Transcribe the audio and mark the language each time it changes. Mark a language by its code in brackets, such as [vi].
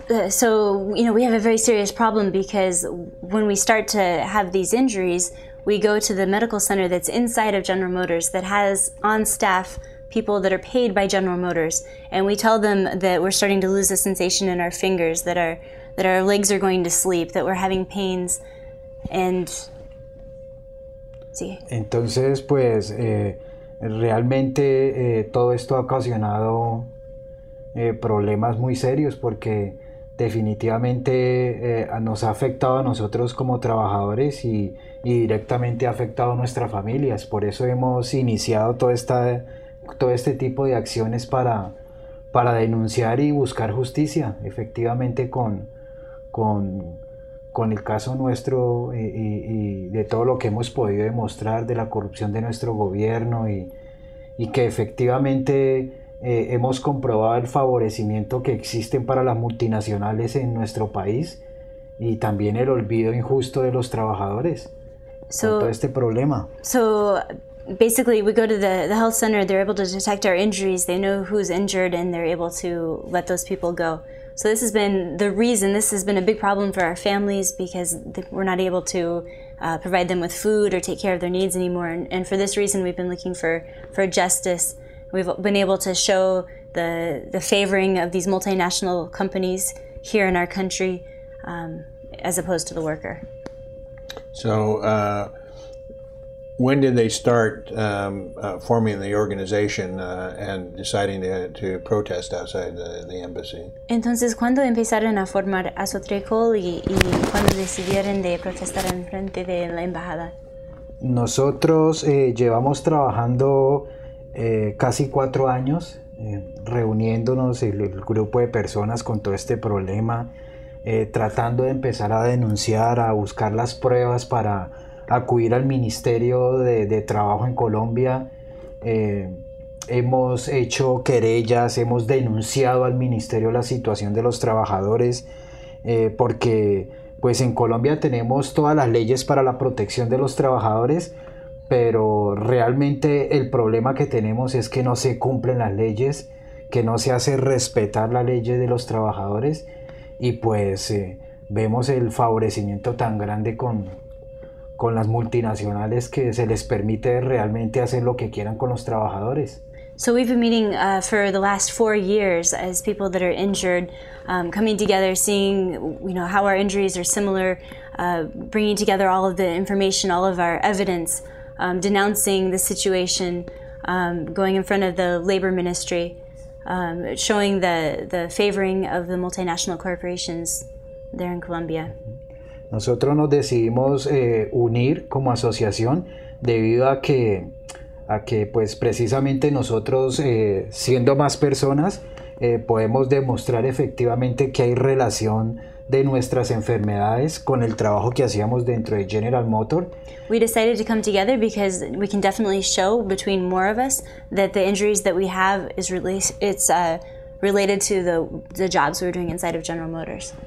[en] So, you know, we have a very serious problem because when we start to have these injuries, we go to the medical center that's inside of General Motors that has on staff people that are paid by General Motors. And we tell them that we're starting to lose a sensation in our fingers, that our legs are going to sleep, that we're having pains. And, sí. [es] Entonces, pues, realmente todo esto ha ocasionado problemas muy serios porque definitivamente nos ha afectado a nosotros como trabajadores y directamente ha afectado a nuestras familias. Por eso hemos iniciado todo este tipo de acciones para denunciar y buscar justicia efectivamente con el caso nuestro y de todo lo que hemos podido demostrar de la corrupción de nuestro gobierno y que efectivamente hemos comprobado el favorecimiento que existen para las multinacionales en nuestro país y también el olvido injusto de los trabajadores con todo este problema. [en] So basically we go to the health center, they're able to detect our injuries, they know who's injured and they're able to let those people go. So this has been the reason, this has been a big problem for our families because we're not able to provide them with food or take care of their needs anymore, and for this reason we've been looking for justice. We've been able to show the favoring of these multinational companies here in our country as opposed to the worker. So when did they start forming the organization and deciding to protest outside the embassy? [es] Entonces, ¿cuándo empezaron a formar Azotrecol y cuándo decidieron de protestar en frente de la embajada? Nosotros llevamos trabajando casi 4 años reuniéndonos el grupo de personas con todo este problema, tratando de empezar a denunciar, a buscar las pruebas para acudir al Ministerio de Trabajo en Colombia. Hemos hecho querellas, hemos denunciado al Ministerio la situación de los trabajadores, porque pues en Colombia tenemos todas las leyes para la protección de los trabajadores, pero realmente el problema que tenemos es que no se cumplen las leyes, que no se hace respetar la ley de los trabajadores y pues vemos el favorecimiento tan grande con las multinacionales que se les permite realmente hacer lo que quieran con los trabajadores. [en] So we've been meeting for the last 4 years as people that are injured, coming together, seeing how our injuries are similar, bringing together all of the information, all of our evidence, denouncing the situation, going in front of the labor ministry, showing the favoring of the multinational corporations there in Colombia. [es] Nosotros nos decidimos unir como asociación debido a que pues precisamente nosotros siendo más personas podemos demostrar efectivamente que hay relación de nuestras enfermedades con el trabajo que hacíamos dentro de General Motor. [en] We decided to come together because we can definitely show between more of us that the injuries that we have is released it's related to the jobs we were doing inside of General Motors.